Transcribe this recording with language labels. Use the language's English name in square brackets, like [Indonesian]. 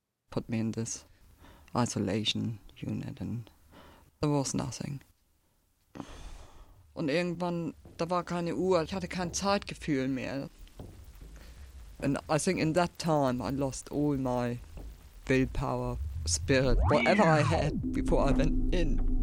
[English] Put me in this isolation unit and there was nothing. [German] Und irgendwann, da war keine Uhr, ich hatte kein Zeitgefühl mehr. [English] And I think in that time I lost all my willpower, spirit, whatever I had before I went in.